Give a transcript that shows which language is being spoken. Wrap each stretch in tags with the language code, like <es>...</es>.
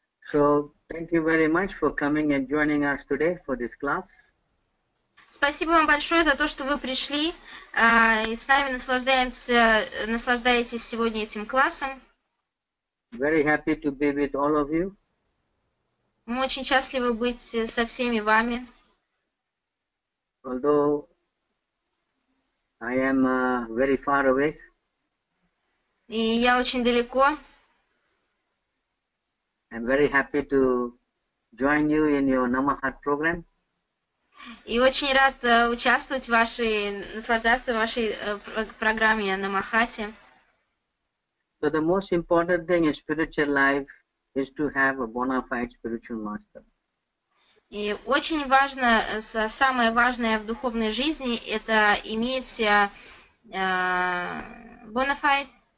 <en>So, thank you very much for coming and joining us today for this class.</en> <ru>Спасибо вам большое за то, что вы пришли и с нами наслаждаетесь сегодня этим классом.</ru> <en>Very happy to be with all of you.</en> <ru>Мы очень счастливы быть со всеми вами.</ru> <en>Although I am very far away.</en> <ru>И я очень далеко.</ru> <en>I'm very happy to join you in your Namahat program.</en> <ru>И очень рад участвовать в вашей, наслаждаться вашей программе Намахате.</ru> <en>So the most important thing in spiritual life is to have a bona fide spiritual master.</en> <ru>И очень важно, самое важное в духовной жизни – это иметь bona fide</ru>